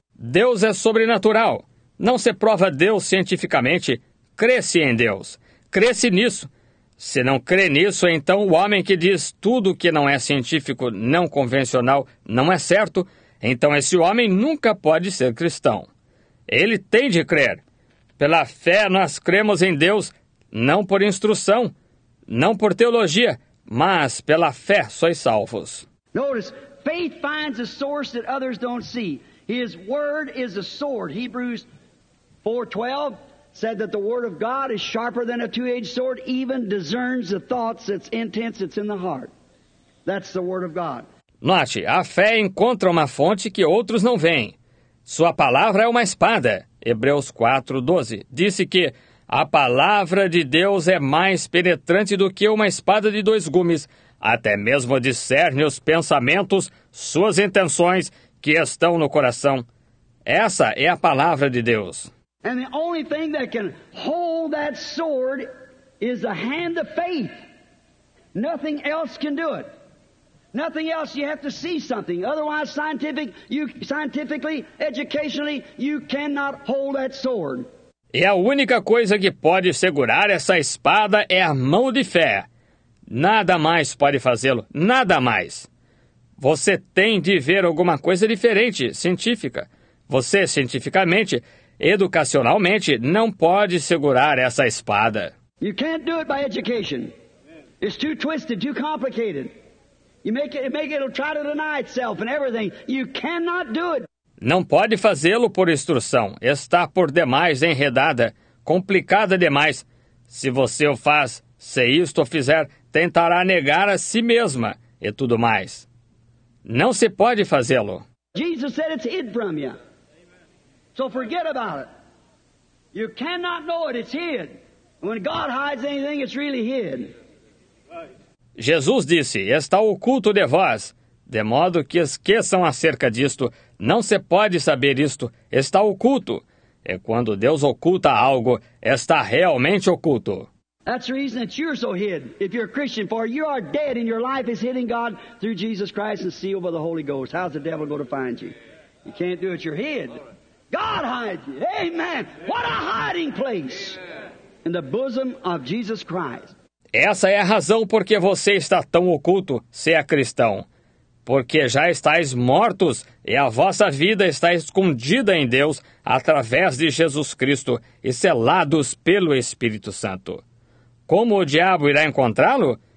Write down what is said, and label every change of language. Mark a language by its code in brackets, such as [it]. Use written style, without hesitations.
[pt] Deus é sobrenatural. Não se prova Deus cientificamente, cresce em Deus. Cresce nisso. Se não crê nisso, então o homem que diz tudo que não é científico, não convencional, não é certo, então esse homem nunca pode ser cristão. Ele tem de crer. Pela fé nós cremos em Deus, não por instrução, não por teologia, mas pela fé sois salvos. [en] Notice, faith finds a source that others don't see. His word is a sword. Hebrews 4:12 said that the word of God is sharper than a two-edged sword, even discerns the thoughts, its intents, it's in the heart. That's the word of God. [pt] Note, a fé encontra uma fonte que outros não veem. Sua palavra é uma espada. Hebreus 4:12 disse que a palavra de Deus é mais penetrante do que uma espada de dois gumes, até mesmo discerne os pensamentos, suas intenções que estão no coração. Essa é a palavra de Deus. [en] And the only thing that can hold that sword is the hand of faith. Nothing else can do it. Nothing else, you have to see something. Otherwise, scientifically, educationally, you cannot hold that sword. [pt] E a única coisa que pode segurar essa espada é a mão de fé. Nada mais pode fazê-lo, nada mais. Você tem de ver alguma coisa diferente, científica. Você, cientificamente, educacionalmente, não pode segurar essa espada. [en] You can't do it by education. It's too twisted, too complicated. You make it try to deny itself and everything. You cannot do it. [pt] Não pode fazê-lo por instrução. Está por demais enredada, complicada demais. Se você o faz, se isto o fizer, tentará negar a si mesma e tudo mais. Não se pode fazê-lo. [en] Jesus said it's hid from you. So forget about it. You cannot know it, it's hid. When God hides anything, it's really hid. [pt] Jesus disse, está oculto de vós, de modo que esqueçam acerca disto. Não se pode saber isto, está oculto. E quando Deus oculta algo, está realmente oculto. [en] That's the reason that you're so hid, if you're a Christian, for you are dead and your life is hid in God through Jesus Christ and sealed by the Holy Ghost. How's the devil going to find you? You can't do it, you're hid. God hides you. Amen. What a hiding place in the bosom of Jesus Christ. [pt] Essa é a razão porque você está tão oculto, se é cristão. Porque já estáis mortos e a vossa vida está escondida em Deus através de Jesus Cristo e selados pelo Espírito Santo. Como o diabo irá encontrá-lo?